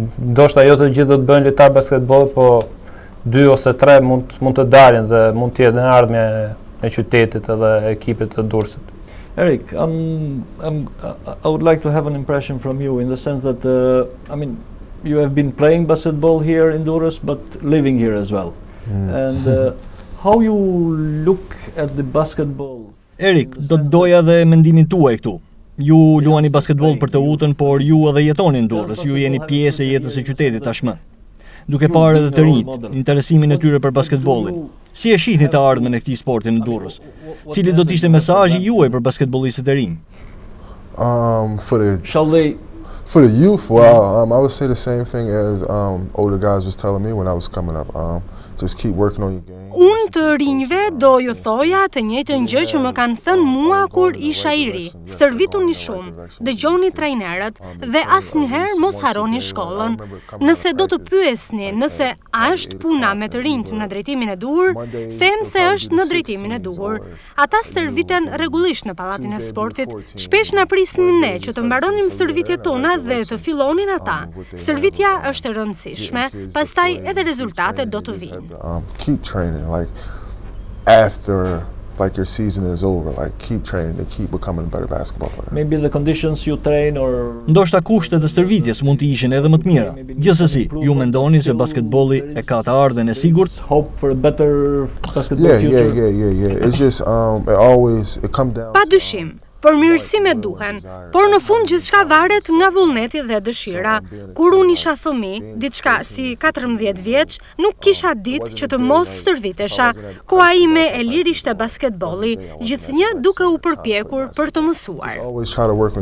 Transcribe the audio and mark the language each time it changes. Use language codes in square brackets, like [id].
[sq] ndoshta jo të gjithë do të bëjnë lojtar basketbolli, po 2 ose 3 mund të dalin dhe mund të jetë në ardhmja e qytetit edhe ekipit të Durrësit. [en] Eric, I would like to have an impression from you in the sense that you have been playing basketball here in Durrës but living here as well. And how you look at the basketball? [sq] Eric, do të doja dhe mendimin tuaj këtu. Ju luani basketbol për të utën, por ju edhe jetoni në Durrës, ju jeni pjesë e jetës e qytetit tashmë. Duke parë edhe të rinjt, interesimin e tyre për basketbolin, si e shihni të ardhmen e këtij sporti në Durrës? Cili do të ishte mesazhi juaj për basketbollistët e rinj? [en] For the youth, well, I would say the same thing as older guys was telling me when I was coming up. Just keep working on your game. [sq] Unë të rinjve do ju thoja të njëjtën gjë që më kanë thënë mua kur isha i ri. Stërvituni shumë, dëgjoni trajnerët dhe asnjëherë mos harroni shkollën. Nëse do të pyesni nëse a është puna me të rinjt në drejtimin e duhur, them se është në drejtimin e duhur. Ata stërviten rregullisht në pallatin e sportit. Shpesh na prisnin ne që të mbaronim stërvitjet tona dhe të fillonin ata. Stërvitja është e rëndësishme, pastaj edhe rezultatet do të vinë. [en] Keep training, like after like your season is over, like keep training to keep becoming a better basketball player. Maybe the conditions you train or [sq] ndoshta kushtet e stërvitjes mund të ishin edhe më të mira. Gjithsesi, ju mendoni se basketbolli e ka të ardhmen e sigurt? [en] Hope for a better basketball future. Yeah. It's just it always it come down. [sq] Padyshim. Përmirësime duhen, por në fund gjithçka varet nga vullneti dhe dëshira. Kur unë isha fëmijë, diçka si 14 vjeç, nuk kisha ditë që të mos stërvitesha. Koha ime e lirë ishte basketbolli, gjithnjë duke u përpjekur për të mësuar.